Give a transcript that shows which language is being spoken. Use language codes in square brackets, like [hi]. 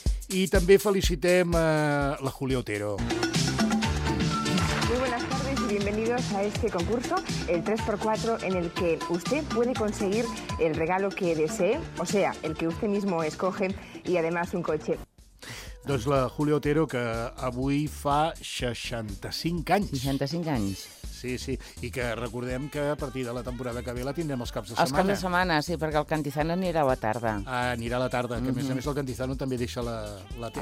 [ca] I també felicitem la Julia Otero. [es] Muy buenas tardes y bienvenidos a este concurso, el 3x4, en el que usted puede conseguir el regalo que desee, o sea, el que usted mismo escoge, y además un coche. [ca] Doncs la Julia Otero, que avui fa 65 anys. 65 anys. Sí, sí, i que recordem que a partir de la temporada que ve la tindrem els caps de setmana. Els caps de setmana, sí, perquè el Cantizano anirà a la tarda. Ah, anirà a la tarda, que a més el Cantizano també deixa la tele.